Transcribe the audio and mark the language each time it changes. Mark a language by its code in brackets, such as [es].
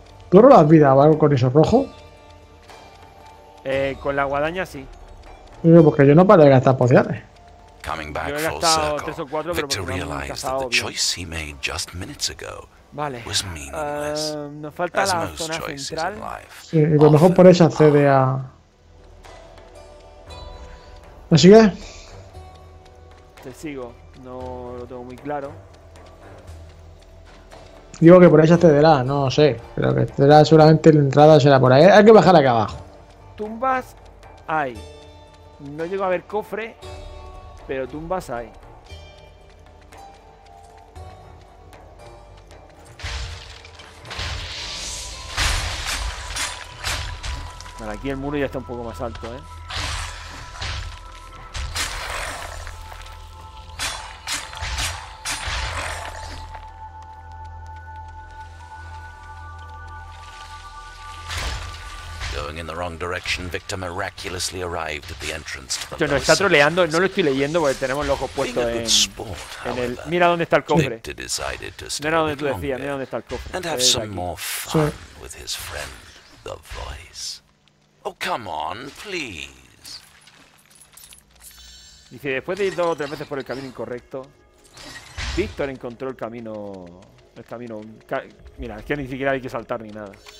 [es] ¿Tú robas vida o algo con eso rojo? Con la guadaña sí. Porque yo no paro de gastar pociones. Yo he gastado 3 o 4, pero porque no me he gastado. [en] Choice he made just minutes ago. [es] Vale. Nos falta la zona central. Sí, y a lo mejor por eso accede a. ¿Me sigues? Te sigo. No lo tengo muy claro. Digo que por eso accederá, no sé. Pero que será seguramente la entrada será por ahí. Hay que bajar acá abajo. Tumbas hay. No llego a ver cofre, pero tumbas hay. Vale, aquí el muro ya está un poco más alto, ¿eh? [en] going in the wrong direction, Victor miraculously arrived at the entrance to the lower sector. [es] Está troleando, no lo estoy leyendo porque tenemos los ojos puestos en, sport, en el [en] however, [es] mira dónde está el cofre. [en] Victor decided to stay [es] mira dónde tú decías, mira dónde está el cofre. [en] And have some more fun with his friend, the voice. Oh, come on, please. [es] Dice, después de ir dos o tres veces por el camino incorrecto, Victor encontró el camino. El camino. Mira, es que ni siquiera hay que saltar ni nada.